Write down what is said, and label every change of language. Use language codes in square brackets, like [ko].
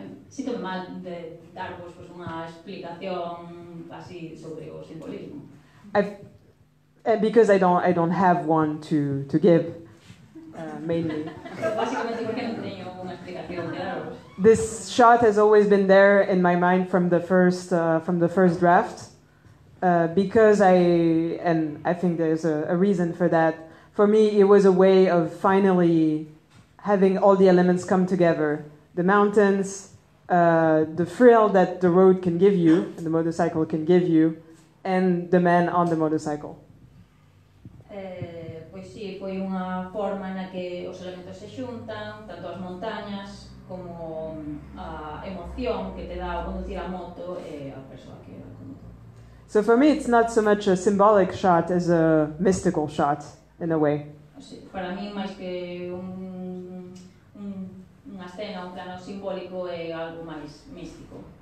[es] Siento mal de darvos pues una explicación así sobre o simbolismo. [en] Because I don't have one to give mainly. [es] Básicamente porque no tengo una explicación de darvos. [en] This shot has always been there in my mind from the first draft. Because I think there's a reason for that. For me, it was a way of finally having all the elements come together. The mountains, the thrill that the road can give you, and the motorcycle can give you, and the man on the motorcycle. [gl] Pues sí, foi unha forma na que os elementos se xuntan, tanto as montañas como a emoción que te dá o conducir a moto e a persoa que va con moto. [en] So for me it's not so much a symbolic shot as a mystical shot, in a way. [gl] Sí, para mí máis que unha escena, un plano simbólico é algo máis místico.